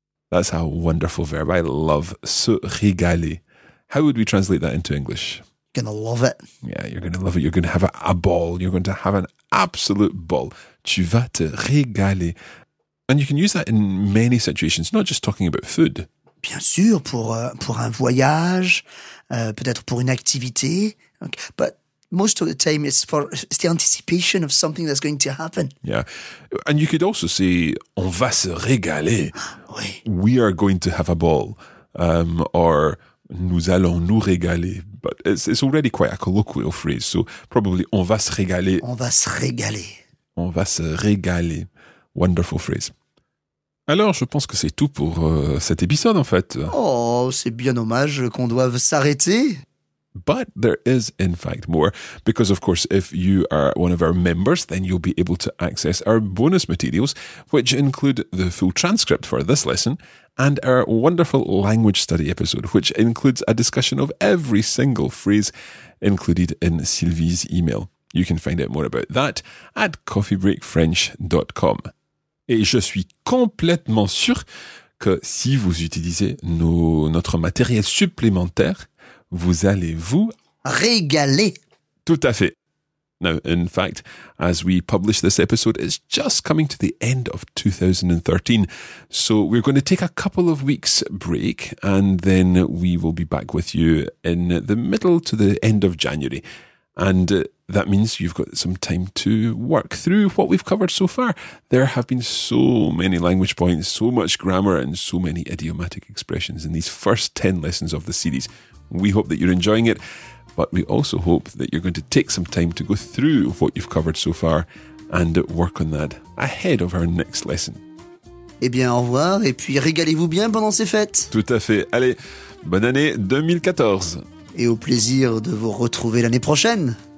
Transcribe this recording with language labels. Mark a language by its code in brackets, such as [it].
[en] That's a wonderful verb. I love [fr] se régaler. [en] How would we translate that into English? Going to love it. Yeah, you're going to love it. You're going to have a ball. You're going to have an absolute ball. [fr] Tu vas te régaler. [en] And you can use that in many situations, not just talking about food. [fr] Bien sûr, pour un voyage, peut-être pour une activité. [en] Okay. But most of the time, it's the anticipation of something that's going to happen. Yeah. And you could also say, [fr] on va se régaler. Oui. [en] We are going to have a ball. Or [fr] nous allons nous régaler. [en] But it's already quite a colloquial phrase. So probably [fr] on va se régaler. On va se régaler. On va se régaler. [en] Wonderful phrase. [fr] Alors, je pense que c'est tout pour cet épisode, en fait. Oh, c'est bien dommage qu'on doive s'arrêter. [en] But there is, in fact, more. Because, of course, if you are one of our members, then you'll be able to access our bonus materials, which include the full transcript for this lesson and our wonderful language study episode, which includes a discussion of every single phrase included in Sylvie's email. You can find out more about that at coffeebreakfrench.com. [fr] Et je suis complètement sûr que si vous utilisez notre matériel supplémentaire, vous allez vous régaler. Tout à fait. [en] Now, in fact, as we publish this episode, it's just coming to the end of 2013. So we're going to take a couple of weeks break and then we will be back with you in the middle to the end of January. And that means you've got some time to work through what we've covered so far. There have been so many language points, so much grammar and so many idiomatic expressions in these first 10 lessons of the series. We hope that you're enjoying it, but we also hope that you're going to take some time to go through what you've covered so far and work on that ahead of our next lesson. [fr] Eh bien, au revoir, et puis régalez-vous bien pendant ces fêtes. Tout à fait. Allez, bonne année 2014. Et au plaisir de vous retrouver l'année prochaine.